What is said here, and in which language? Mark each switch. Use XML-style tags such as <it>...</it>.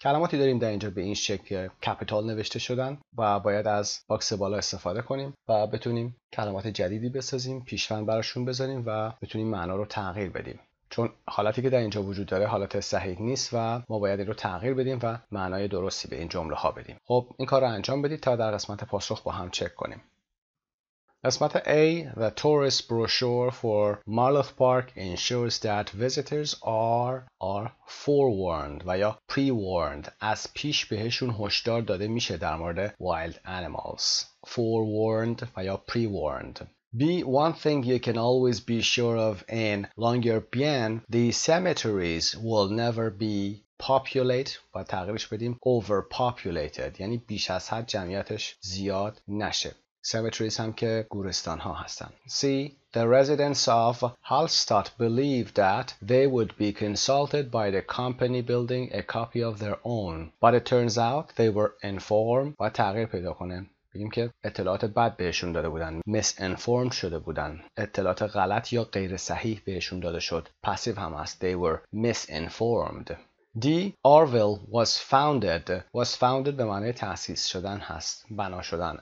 <fa>کلماتی داریم در اینجا به این شکل کپیتال نوشته شدن و باید از باکس بالا استفاده کنیم و بتونیم کلمات جدیدی بسازیم، پیشوند براشون بذاریم و بتونیم معنا رو تغییر بدیم. چون حالتی که در اینجا وجود داره حالت صحیح نیست و ما باید این رو تغییر بدیم و معنای درستی به این جمله ها بدیم. خب این کار رو انجام بدید تا در قسمت پاسخ با هم چک کنیم.</fa> <en>قسمت A, the tourist brochure for Marloth Park ensures that visitors are forewarned و یا pre-warned.</en> <fa>از پیش بهشون هشدار داده میشه در مورد wild animals.</fa> <en>Forewarned و یا pre-warned. B, one thing you can always be sure of in Longyearbyen, the cemeteries will never be populate</en> <fa>و تغییرش بدیم</fa> <en>overpopulated،</en> <fa>یعنی بیش از حد جمعیتش زیاد نشه. Cemeteries هم که گورستان ها هستن.</fa> <en>C, the residents of Hallstatt believe that they would be consulted by the company building a copy of their own, but it turns out they were informed</en> <fa>و تغییر پیدا کنه. بگیم که اطلاعات بد بهشون داده بودن، misinformed شده بودن، اطلاعات غلط یا غیر صحیح بهشون داده شد. پسیو هم هست،</fa> <en>they were misinformed.</en> <fa>D,</fa> <en>Orville was founded</en> <fa>به معنی تأسیس شدن هست، بنا شدن.</fa>